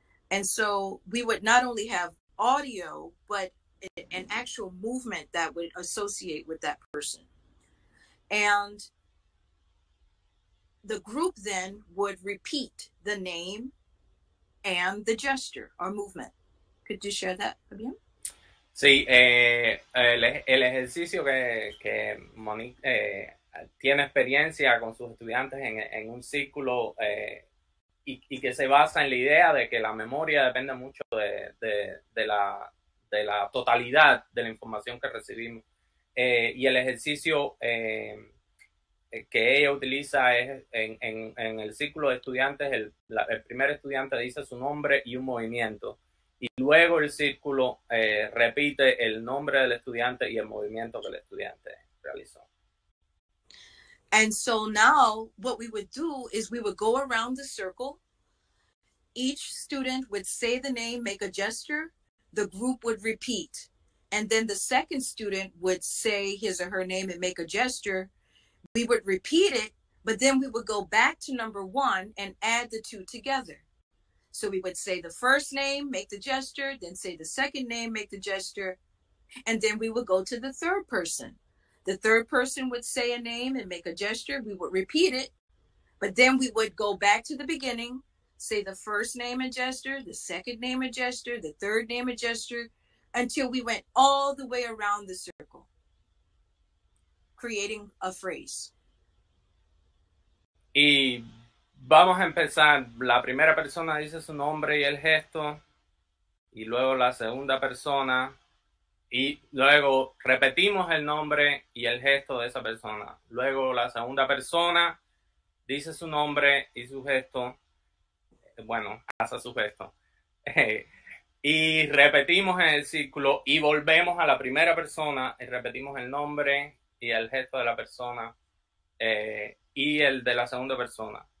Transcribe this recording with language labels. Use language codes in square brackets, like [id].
[en] And so we would not only have audio, but an actual movement that would associate with that person. And the group then would repeat the name and the gesture or movement. Could you share that, Fabian? [es] Sí, el ejercicio que Monique tiene experiencia con sus estudiantes en un círculo y que se basa en la idea de que la memoria depende mucho de la totalidad de la información que recibimos. Y el ejercicio que ella utiliza es en el círculo de estudiantes, el primer estudiante dice su nombre y un movimiento. Y luego el círculo repite el nombre del estudiante y el movimiento que el estudiante realizó. [en] And so now what we would do is we would go around the circle. Each student would say the name, make a gesture. The group would repeat. And then the second student would say his or her name and make a gesture. We would repeat it, but then we would go back to number one and add the two together. So we would say the first name, make the gesture, then say the second name, make the gesture, and then we would go to the third person. The third person would say a name and make a gesture. We would repeat it, but then we would go back to the beginning, say the first name and gesture, the second name and gesture, the third name and gesture, until we went all the way around the circle, creating a phrase. [es] Vamos a empezar. La primera persona dice su nombre y el gesto, y luego la segunda persona, y luego repetimos el nombre y el gesto de esa persona. Luego la segunda persona dice su nombre y su gesto, bueno, hace su gesto, y repetimos el círculo y volvemos a la primera persona y repetimos el nombre y el gesto de la persona y el de la segunda persona.